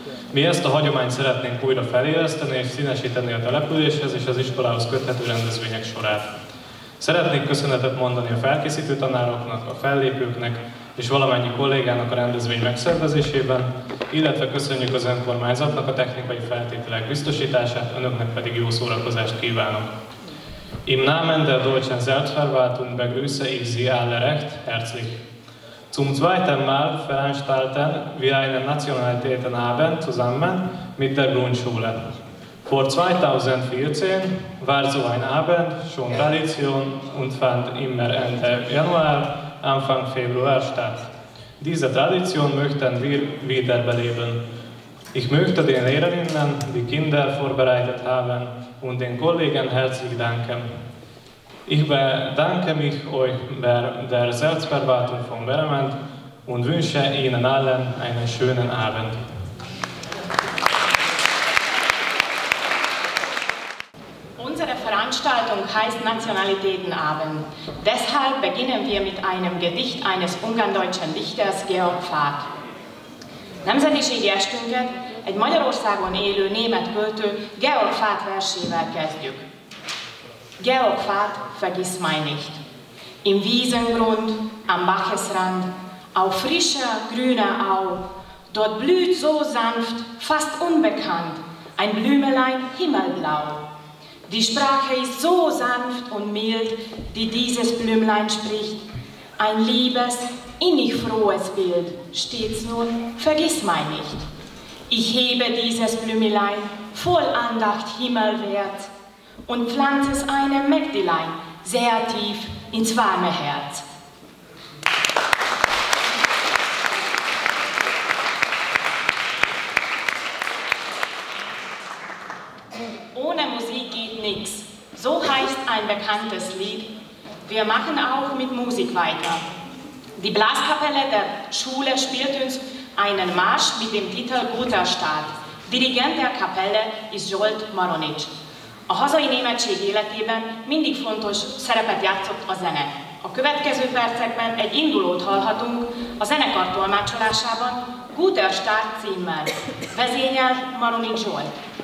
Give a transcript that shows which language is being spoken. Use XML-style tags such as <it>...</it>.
<hu>Mi ezt a hagyományt szeretnénk újra feléleszteni és színesíteni a településhez és az iskolához köthető rendezvények sorát. Szeretnék köszönetet mondani a felkészítő tanároknak, a fellépőknek és valamennyi kollégának a rendezvény megszervezésében, illetve köszönjük az önkormányzatnak a technikai feltételek biztosítását, önöknek pedig jó szórakozást kívánok.</hu> <de>Im Namen der deutschen Selbstverwaltung begrüße ich Sie alle recht herzlich. Zum zweiten Mal veranstalten wir einen Nationalitätenabend zusammen mit der Grundschule. Vor 2014 war so ein Abend schon Tradition und fand immer Ende Januar, Anfang Februar statt. Diese Tradition möchten wir wiederbeleben. Ich möchte den Lehrerinnen, die Kinder vorbereitet haben und den Kollegen herzlich danken. Ich bedanke mich euch bei der Selbstverwaltung von Beremend und wünsche Ihnen allen einen schönen Abend. Unsere Veranstaltung heißt Nationalitätenabend. Deshalb beginnen wir mit einem Gedicht eines ungarndeutschen Dichters, Georg Pfad.</de> <hu>Nemzetiségi estünket egy Magyarországon élő német költő Georg Pfad versével kezdjük.</hu> <de>Georg Pfad vergiss mein nicht. Im Wiesengrund, am Bachesrand, auf frischer, grüner Au, dort blüht so sanft, fast unbekannt, ein Blümelein himmelblau. Die Sprache ist so sanft und mild, die dieses Blümlein spricht. Ein liebes, innig frohes Bild, stets nun vergiss mein nicht. Ich hebe dieses Blümelein voll Andacht himmelwert und pflanze es einem Mägdelein sehr tief ins warme Herz. Ohne Musik geht nichts. So heißt ein bekanntes Lied. Wir machen auch mit Musik weiter. Die Blaskapelle der Schule spielt uns einen Marsch mit dem Titel Guter Start. Dirigent der Kapelle ist Zsolt Maronics.</de> <hu>A hazai németség életében mindig fontos szerepet játszott a zene. A következő percekben egy indulót hallhatunk a zenekar tolmácsolásában Guter Start címmel. Vezényel Maronics Zsolt.</hu>